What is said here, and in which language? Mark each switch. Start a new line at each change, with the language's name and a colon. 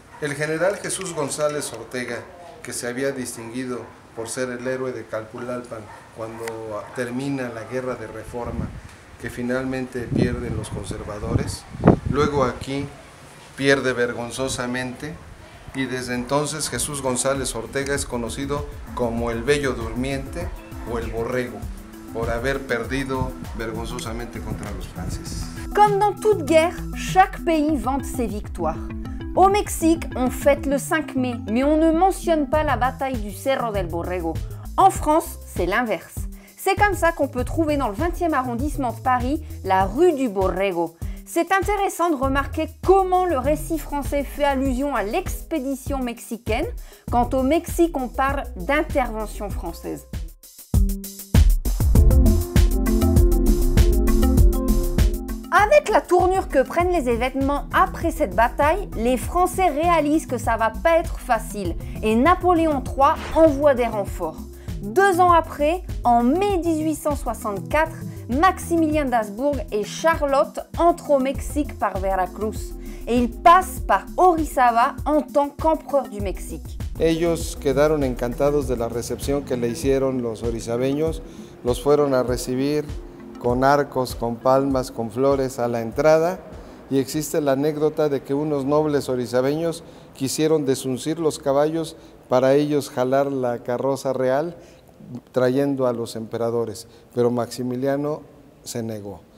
Spanish: El general Jesús González Ortega, que se había distinguido por ser el héroe de Calpulalpan cuando termina la Guerra de Reforma, que finalmente pierden los conservadores, luego aquí pierde vergonzosamente, y desde entonces Jesús González Ortega es conocido como el Bello Durmiente o el Borrego, por haber perdido vergonzosamente contra los franceses.
French: Comme dans toute guerre, chaque pays vante ses victoires. Au Mexique, on fête le 5 mai, mais on ne mentionne pas la bataille du Cerro del Borrego. En France, c'est l'inverse. C'est comme ça qu'on peut trouver dans le 20e arrondissement de Paris la rue du Borrego. C'est intéressant de remarquer comment le récit français fait allusion à l'expédition mexicaine. Quant au Mexique, on parle d'intervention française. Avec la tournure que prennent les événements après cette bataille, les Français réalisent que ça va pas être facile et Napoléon III envoie des renforts. Deux ans après, en mai 1864, Maximilien d'Habsbourg et Charlotte entrent au Mexique par Veracruz et ils passent par Orizaba en tant qu'empereur du Mexique.
Spanish: Ellos quedaron encantados de la recepción que le hicieron los orizabeños, los fueron a recibir con arcos, con palmas, con flores a la entrada, y existe la anécdota de que unos nobles orizabeños quisieron desuncir los caballos para ellos jalar la carroza real trayendo a los emperadores, pero Maximiliano se negó.